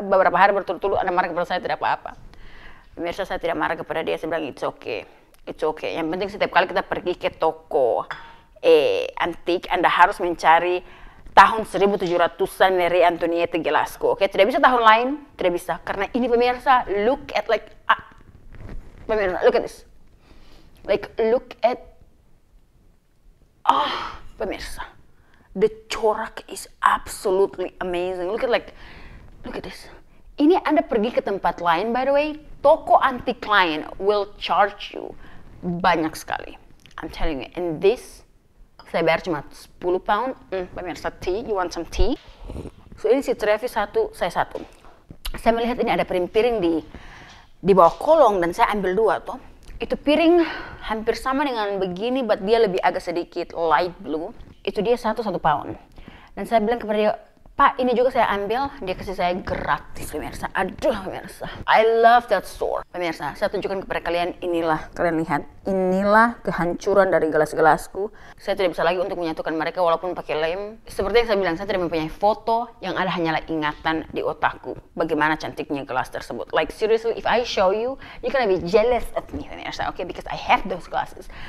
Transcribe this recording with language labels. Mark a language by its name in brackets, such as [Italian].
[Indonesian] Beberapa hari berturut-turut Anda marah kepada saya, tidak apa-apa. Pemirsa, saya tidak marah kepada dia, saya bilang [English] it's okay. It's okay, [Indonesian] yang penting setiap kali kita pergi ke toko antik, Anda harus mencari tahun 1700-an Marie Antoinette gelasku, oke? Tidak bisa tahun lain, tidak bisa. Karena ini pemirsa, [English] look at like, pemirsa, look at this. Like, look at, oh, pemirsa, the corak is absolutely amazing. Look at like, look at this. [Indonesian] Ini Anda pergi ke tempat lain, by the way, toko antik lain [English] will charge you [Indonesian] banyak sekali. [English] I'm telling you, and this, [Indonesian] saya bayar cuma 10 pound. [English] Pemirsa, tea, you want some tea? [Indonesian] So, ini si Travis satu, saya satu. Saya melihat ini ada piring-piring di bawah kolong dan saya ambil 2 tuh. Itu piring hampir sama dengan begini, but dia lebih agak sedikit light blue. Itu dia satu pound. Dan saya bilang kepada dia, Pak, ini juga saya ambil. Dia kasih saya gratis, pemirsa. Aduh, pemirsa. [English] I love that store. [Indonesian] Pemirsa, saya tunjukkan kepada kalian, inilah. Kalian lihat, inilah kehancuran dari gelas-gelasku. Saya tidak bisa lagi untuk menyatukan mereka walaupun pakai lem. Seperti yang saya bilang, saya tidak mempunyai foto, yang ada hanyalah ingatan di otakku. Bagaimana cantiknya gelas tersebut. [English] Like, seriously, if I show you, you're gonna be jealous of me, pemirsa. Okay, because I have those glasses.